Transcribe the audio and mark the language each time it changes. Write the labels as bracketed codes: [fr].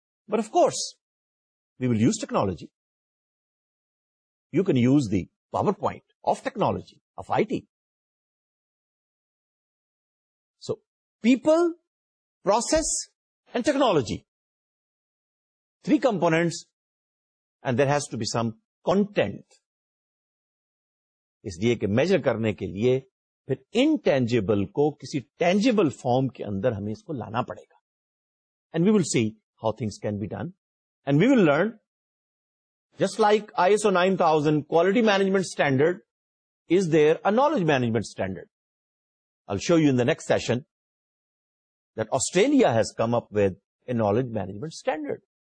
[en] But of course we will use technology. You can use the power point of technology of I T. People, process, and technology. Three components, and there has to be some content. [ur] اس لیے کہ measure کرنے کے لیے پھر intangible کو کسی tangible form کے اندر ہمیں اس کو لانا پڑے گا. [en] And we will see how things can be done. And we will learn, just like ISO 9000 quality management standard, is there a knowledge management standard? I'll show you in the next session. That Australia has come up with a knowledge management standard.